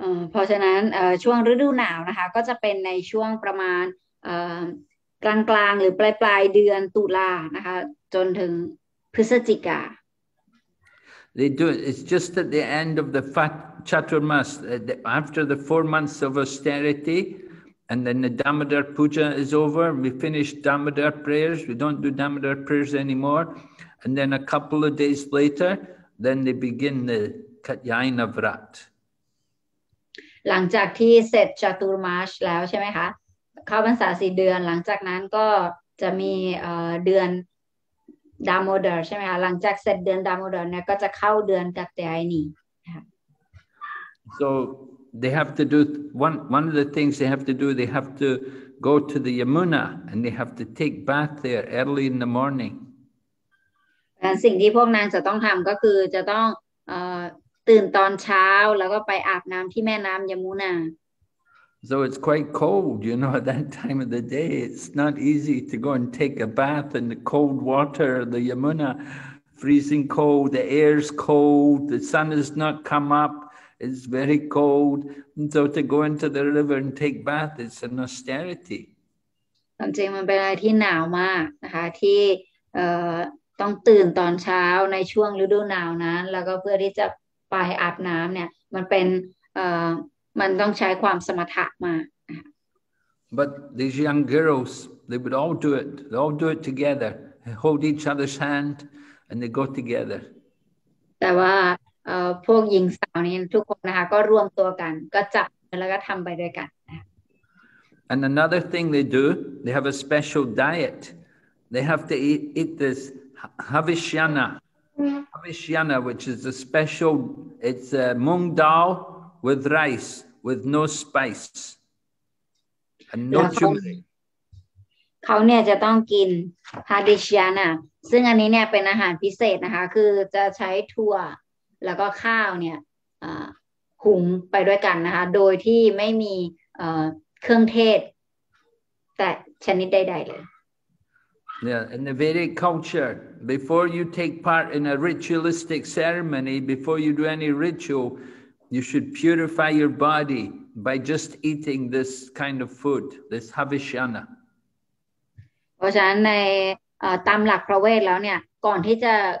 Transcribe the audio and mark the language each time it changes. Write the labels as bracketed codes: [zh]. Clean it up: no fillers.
[th] เพราะฉะนั้นช่วงฤดูหนาวนะคะก็จะเป็นในช่วงประมาณกลางๆหรือปลายเดือนตุลานะคะจนถึงพฤศจิกา [en] They do it. It's just at the end of the Chaturmas, after the 4 months of austerity,And then the Damodar Puja is over. We finish Damodar prayers. We don't do Damodar prayers anymore. And then a couple of days later, then they begin the Katyayana Vrat. [th] หลังจากที่เสร็จจตุรมาสแล้วใช่ไหมคะเข้าพรรษา4เดือนหลังจากนั้นก็จะมีเดือนดาโมดาร์ใช่ไหมคะหลังจากเสร็จเดือนดาโมดาร์เนี่ยก็จะเข้าเดือนกัตตายนี่ [en] SoThey have to do one of the things they have to do. They have to go to the Yamuna and they have to take bath there early in the morning. [th] สิ่งที่พวกนางจะต้องทำก็คือจะต้องตื่นตอนเช้าแล้วก็ไปอาบน้ำที่แม่น้ำยมุนา [en] So it's quite cold, you know, at that time of the day. It's not easy to go and take a bath in the cold water, the Yamuna, freezing cold. The air's cold. The sun has not come up. It's very cold, and so to go into the river and take bath, it's an austerity. [th] จริงๆมันเป็นอะไรที่หนาวมากนะคะที่ต้องตื่นตอนเช้าในช่วงฤดูหนาวนั้นแล้วก็เพื่อที่จะไปอาบน้ำเนี่ยมันเป็นมันต้องใช้ความสมถะมาก [en] But these young girls, they would all do it. They all do it together. They hold each other's hand, and they go together. [th] แต่ว่าพวกหญิงสาวนี้ทุกคนนะคะก็รวมตัวกันก็จับแล้วก็ทำไปด้วยกันนะ [en] And another thing they do, they have a special diet. They have to eat this havishyana. Havishyana, which is a special, it's a mung dal with rice, with no spice. And no turmeric. [th] เขาเนี่ยจะต้องกิน havishyana. ซึ่งอันนี้เนี่ยเป็นอาหารพิเศษนะคะคือจะใช้ถั่วแล้วก็ข้าวเนี่ยหุงไปด้วยกันนะคะโดยที่ไม่มีเครื่องเทศแต่ชนิดใดๆเลย [en] Yeah, in the Vedic culture, before you take part in a ritualistic ceremony, before you do any ritual, you should purify your body by just eating this kind of food, this havishyana. [th] เพราะฉะนั้นในตามหลักพระเวทแล้วเนี่ยก่อนที่จะ